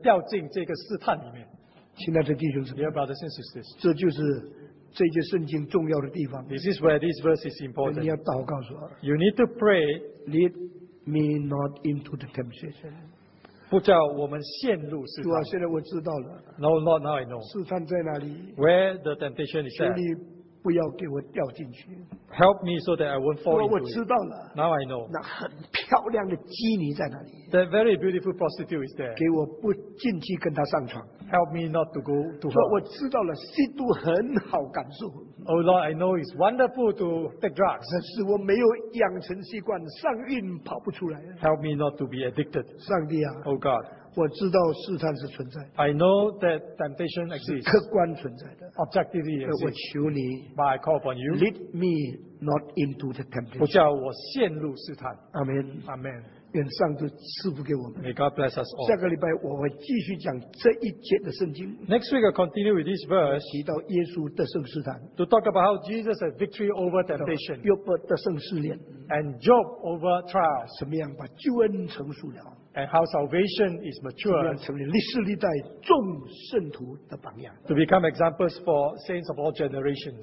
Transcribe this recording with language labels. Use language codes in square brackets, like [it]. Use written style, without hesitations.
[zh] 同时，这个自由是非常危险的，因为我可能掉进这个试探里面。亲爱的弟兄姊妹， [en] Dear brothers and sisters, [zh] 这就是这节圣经重要的地方。 [en] This is where this verse is important. [zh] 你要祷告说, [en] you need to pray. Lead me not into the temptation. [zh] 不叫我们陷入试探。主啊，现在我知道了。 [en] No, not now I know. [zh] 试探在哪里？ [en] Where the temptation is at. [zh] 不要给我掉进去。 [en] Help me so that I won't fall into it. [zh] 我知道了。 [en] Now I know. [zh] 那很漂亮的妓女在哪里？ [en] The very beautiful prostitute is there. [zh] 给我不进去跟她上床。 [en] Help me not to go to her. [zh] 我知道了，吸毒很好感受。 [en] Oh Lord, I know it's wonderful to take drugs. [zh] 但是我没有养成习惯，上瘾跑不出来。 [en] Help me not to be addicted. [zh] 上帝啊。 [en] Oh God. [zh] 我知道试探是存在的。 [en] I know that temptation exists. [zh] 客观存在的。 [en] Objectively exists. [zh] 我求你， [en] but I call upon you. Lead me not into the temptation. [zh] 不叫我陷入试探。 [en] Amen. Amen. [zh] 愿上帝赐福给我们。 [en] May God bless us all. [zh] 下个礼拜我会继续讲这一节的圣经。 [en] Next week I'll continue with this verse. [zh] 提到耶稣得胜试探。 [en] To talk about how Jesus had victory over temptation. [zh] 约伯得胜试炼。 [en] And Job over trial. [zh] 怎么样把救恩成熟了。 [en] And how salvation is mature. To become examples for saints of all generations.